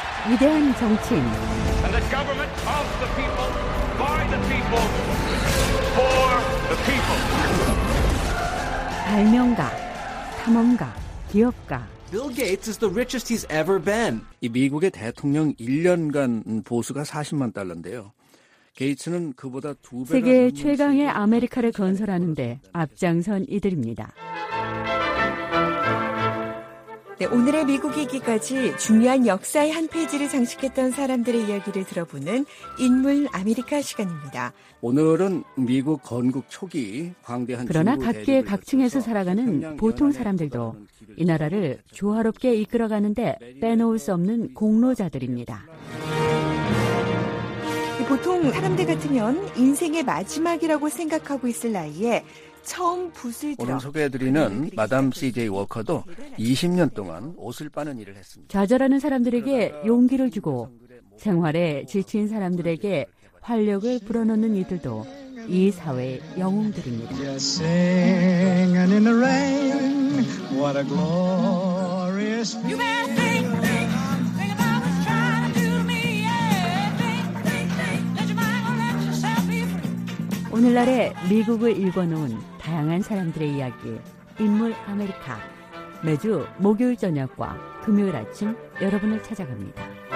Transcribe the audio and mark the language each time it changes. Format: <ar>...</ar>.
<ko>위대한 정치인, 발명가, 탐험가, 기업가,</ko> <en>Bill Gates is the richest he's ever been.</en> <ko>이 미국의 대통령 1년간 보수가 40만 달러인데요. 게이츠는 그보다 두 배가 세계 최강의 아메리카를 건설하는데 앞장선 이들입니다. 네, 오늘의 미국이기까지 중요한 역사의 한 페이지를 장식했던 사람들의 이야기를 들어보는 인물 아메리카 시간입니다. 오늘은 미국 건국 초기 광대한 그러나 각계 각층에서 살아가는 보통 사람들도 이 나라를 조화롭게 이끌어가는데 빼놓을 수 없는 공로자들입니다. 보통 사람들 같으면 인생의 마지막이라고 생각하고 있을 나이에 처음 붓을 들어 오늘 소개해드리는 마담 CJ 워커도 20년 동안 옷을 빠는 일을 했습니다. 좌절하는 사람들에게 용기를 주고 생활에 지친 사람들에게 활력을 불어넣는 이들도 이 사회의 영웅들입니다.</ko> <en>You may think about what's trying to do to me. Yeah, think, let your mind go, let yourself be.</en> <ko>오늘날의 미국을 읽어놓은 다양한 사람들의 이야기, 인물 아메리카. 매주 목요일 저녁과 금요일 아침 여러분을 찾아갑니다.</ko>